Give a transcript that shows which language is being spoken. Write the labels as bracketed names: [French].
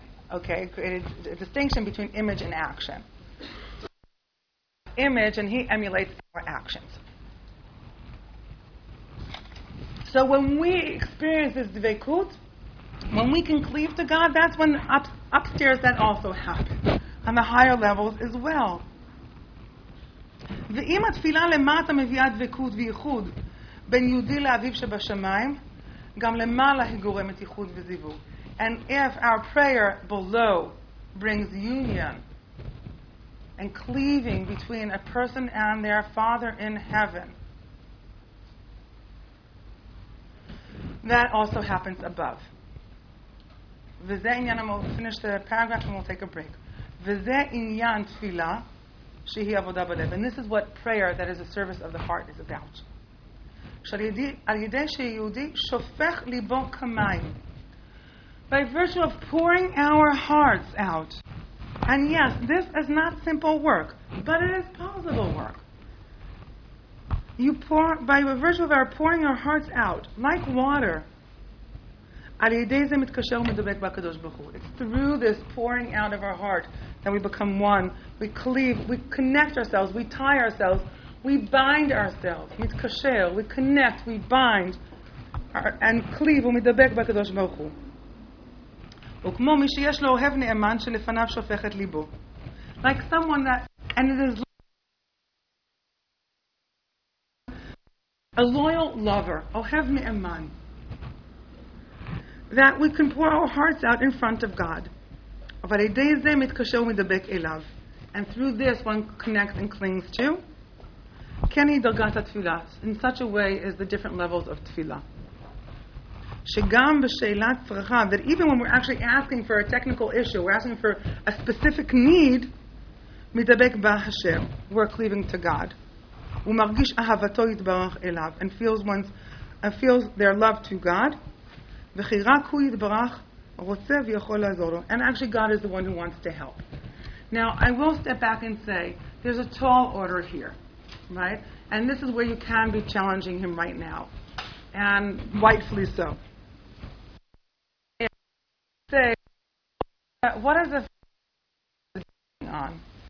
[English] Okay, created a distinction between image and action. Image, and he emulates our actions. So when we experience this dveikut, when we can cleave to God, that's when upstairs that also happens, on the higher levels as well. [Hebrew] ואם התפילה למטה מביאה דבקות וייחוד בין יהודי לאביו שבשמיים, גם למעלה היא גורמת ייחוד וזיווג. [English] And if our prayer below brings union and cleaving between a person and their Father in heaven, that also happens above. [Hebrew] וזה עניין, [English] and we'll finish the paragraph and we'll take a break. [Hebrew] וזה עניין תפילה, שהיא עבודה בלב. [English] And this is what prayer, that is a service of the heart, is about. [Hebrew] שעל ידי שיהודי שופך ליבו כמיים. [English] By virtue of pouring our hearts out. And yes, this is not simple work, but it is possible work. You pour, by virtue of our pouring our hearts out, like water. [Hebrew] על ידי זה מתקשר ומדבק בקדוש ברוך הוא. [English] It's through this pouring out of our heart that we become one. We cleave, we connect ourselves, we tie ourselves, we bind ourselves. מתקשר, we connect, we bind, and cleave [Hebrew] ומדבק בקדוש ברוך הוא. וכמו מי שיש לו אוהב נאמן שלפניו שופך את ליבו. [English] Like someone that, and it is a loyal lover, [Hebrew] אוהב נאמן, [English] that we can pour our hearts out in front of God. [Hebrew] אבל ידי זה מתקשר ומדבק אליו. [English] And through this one connects and clings to. [Hebrew] כן היא דרגת התפילה. [English] In such a way is the different levels of תפילה. [Hebrew] שגם בשאלת צרכה, [English] that even when we're actually asking for a technical issue, we're asking for a specific need, [Hebrew] מדבק בה השם. [English] We're cleaving to God. [Hebrew] ומרגיש אהבתו יתברך אליו. [English] And feels one's, feels their love to God. [Hebrew] וחירק הוא יתברך, רוצה ויכול לעזור לו. [English] And actually God is the one who wants to help. Now, I will step back and say, there's a tall order here, right? And this is where you can be challenging him right now. And rightfully so. Say, what is the going on?